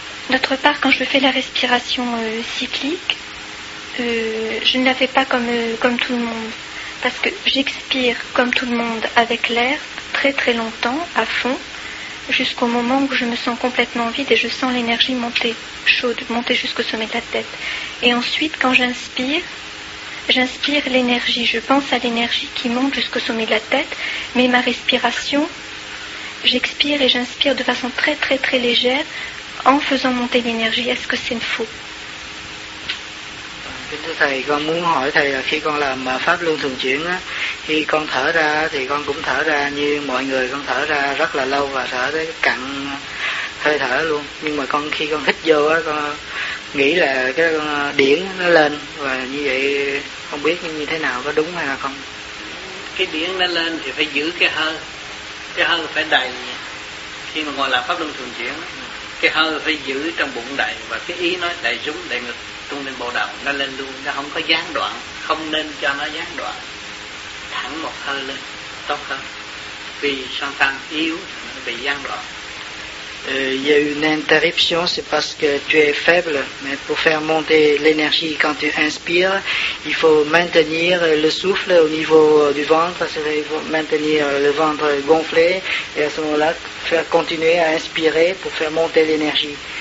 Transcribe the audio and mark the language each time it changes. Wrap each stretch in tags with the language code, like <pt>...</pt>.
<fr>D'autre part, quand je fais la respiration cyclique, je ne la fais pas comme tout le monde, parce que j'expire comme tout le monde avec l'air très très longtemps, à fond, jusqu'au moment où je me sens complètement vide et je sens l'énergie monter chaude, monter jusqu'au sommet de la tête. Et ensuite, quand j'inspire l'énergie, je pense à l'énergie qui monte jusqu'au sommet de la tête, mais ma respiration, j'expire et j'inspire de façon très très très légère en faisant monter l'énergie. Est-ce que c'est faux?</fr> <vi>Kính thưa thầy, con muốn hỏi thầy là khi con làm pháp luân thường chuyển á, khi con thở ra thì con cũng thở ra như mọi người, con thở ra rất là lâu và thở tới cạn hơi thở luôn. Nhưng mà con khi con hít vô á, con nghĩ là cái điển nó lên, và như vậy không biết như thế nào, có đúng hay là không? Cái điển nó lên thì phải giữ cái hơi. Cái hơi phải đầy. Khi mà ngồi làm pháp luân thường chuyển, cái hơi phải giữ trong bụng đầy và cái ý nó đầy rúng, đầy ngực. Tung lên bộ đầu, nó lên luôn, nó không có gián đoạn, không nên cho nó gián đoạn. Thẳng một hơi lên, tốt hơn. Vì sang tăng yếu, nó bị gián đoạn.</vi> <fr>Il y a une interruption, c'est parce que tu es faible, mais pour faire monter l'énergie quand tu inspires, il faut maintenir le souffle au niveau du ventre, c'est-à-dire maintenir le ventre gonflé, et à ce moment-là, faire continuer à inspirer pour faire monter l'énergie.</fr>